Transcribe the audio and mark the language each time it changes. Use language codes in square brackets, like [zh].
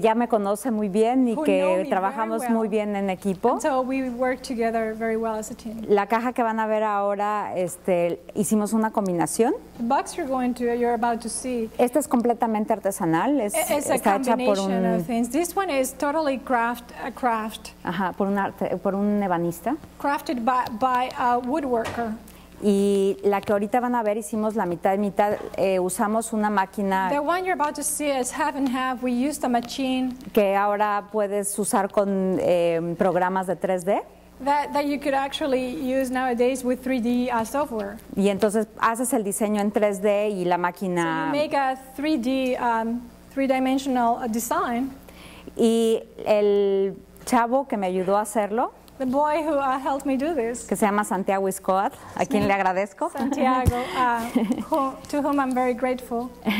[es] ya me conoce muy bien y que trabajamos [en] well. [es] Muy bien en equipo. [en] And so we work together very well as a team. [es] La caja que van a ver ahora, hicimos una combinación. [en] The box you're going to, you're about to see. [es] Esta es completamente artesanal, está hecha por un [en] This one is totally craft. [es] Ajá, por un ebanista. [en] Crafted by a woodworker. [es] Y la que ahorita van a ver hicimos la mitad, usamos una máquina. [en] The one you're about to see is half and half. We used a machine. [es] Que ahora puedes usar con programas de 3D. [en] That you could actually use nowadays with 3D software. [es] Y entonces haces el diseño en 3D y la máquina. [en] So you make a 3D, three-dimensional design. [es] Y el chavo que me ayudó a hacerlo. [en] The boy who helped me do this. [es] Que se llama Santiago Iscoat, a quien le agradezco. [en] Santiago, to whom I'm very grateful.